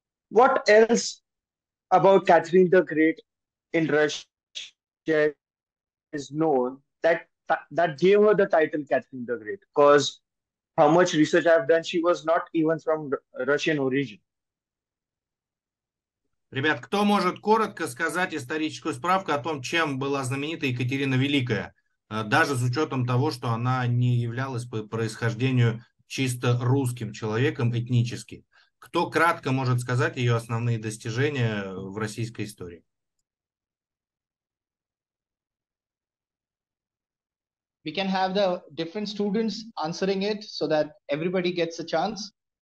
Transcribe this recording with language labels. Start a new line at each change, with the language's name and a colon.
English: What else about Catherine the Great in Russia is known that gave her the title Catherine the Great? Because how much research I've done, she was not even from Russian origin.
Russian: Ребят, кто может коротко сказать историческую справку о том, чем была знаменита Екатерина Великая, даже с учетом того, что она не являлась по происхождению чисто русским человеком этнически? Кто кратко может сказать ее основные достижения в российской истории?
English: We can have the different students answering it so that everybody gets a chance.